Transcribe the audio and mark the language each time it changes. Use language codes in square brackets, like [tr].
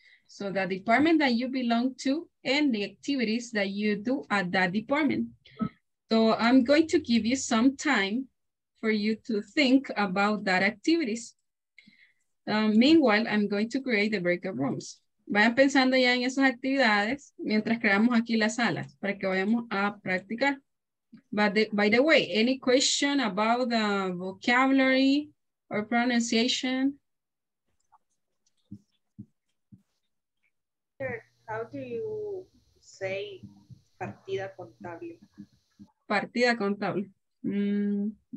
[en] So the department that you belong to and the activities that you do at that department. So I'm going to give you some time for you to think about that activities. Meanwhile, I'm going to create the breakout rooms. [es] Vayan pensando ya en esas actividades mientras creamos aquí las salas para que vayamos a practicar. [en] By the way, any question about the vocabulary or pronunciation? How do you say partida contable? [es] Partida contable.